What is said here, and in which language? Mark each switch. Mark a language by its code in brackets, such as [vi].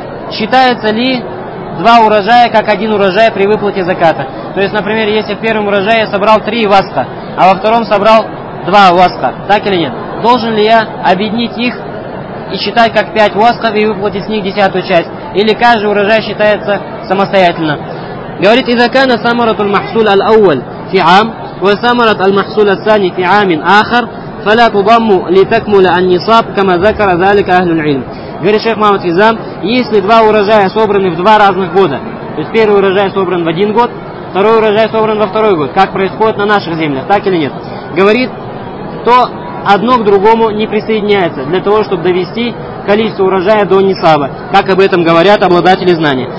[ru] Считается ли два урожая как один урожай при выплате заката? То есть, например, если в первом урожае я собрал 3 васха, а во втором собрал 2 васха, так или нет? Должен ли я объединить их и считать как 5 васхов и выплатить с них 10-ю часть? Или каждый урожай считается самостоятельно? Говорит, [ar] إذا كان ثمرة المحصول الأول في عام وثمرة المحصول الثاني في عام آخر فلا تضم لتكمل النصاب كما ذكر ذلك أهل العلم. [ru] Говорит шейх Мухаммад Хизам, если два урожая собраны в два разных года, то есть первый урожай собран в один год, второй урожай собран во второй год, как происходит на наших землях, так или нет, говорит, то одно к другому не присоединяется для того, чтобы довести количество урожая до нисаба, как об этом говорят обладатели знания.